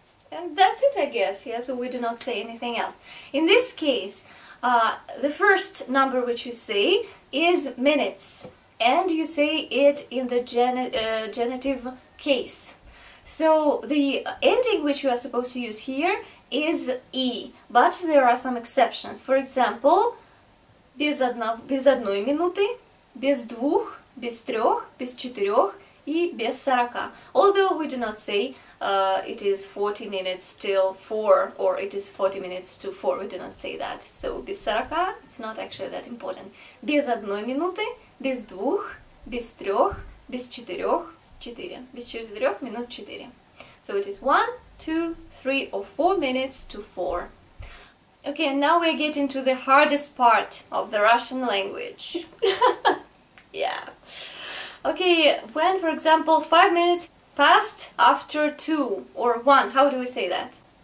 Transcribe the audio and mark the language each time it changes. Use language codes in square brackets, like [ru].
[en] And that's it, I guess, yeah, so we do not say anything else. In this case, the first number which you say is minutes, and you say it in the genitive case. So the ending which you are supposed to use here is e, but there are some exceptions. For example, [ru] без одной минуты, без двух, без трех, без четырех и без сорока. [en] Although we do not say it is 40 minutes till 4 or it is 40 minutes to 4, we do not say that. So [ru] без сорока, [en] it's not actually that important. [ru] Без одной минуты, без двух, без трех, без четырех, четыре. Без четырех минут четыре. [en] So it is 1, 2, 3 or 4 minutes to 4. Okay, and now we're getting to the hardest part of the Russian language. Yeah. Okay, when, for example, 5 minutes passed after 2 or 1, how do we say that?